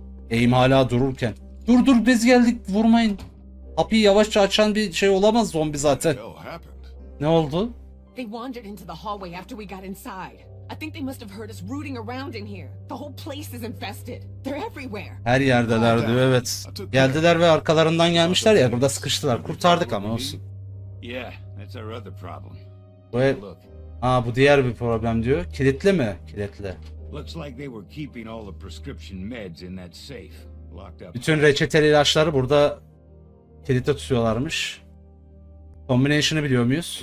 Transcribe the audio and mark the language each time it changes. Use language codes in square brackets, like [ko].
[tr] Eğim hala dururken. Dur dur, biz geldik, vurmayın. Kapıyı yavaşça açan bir şey olamaz zombi zaten. Ne oldu? [en] They wandered into the hallway after we got inside. I think they must have heard us rooting around in here. The whole place is infested. They're everywhere. [tr] Her yerdeler diyor, evet. Geldiler ve arkalarından gelmişler ya, burada sıkıştılar. Kurtardık ama olsun. [en] Yeah, that's our other problem. [tr] Bu diğer bir problem diyor. Kilitli mi? Kilitli. [en] Looks like they were keeping all the prescription meds in that safe, locked up. [tr] Bütün reçeteli ilaçları burada kilitli tutuyorlarmış. Combination'ı biliyor muyuz?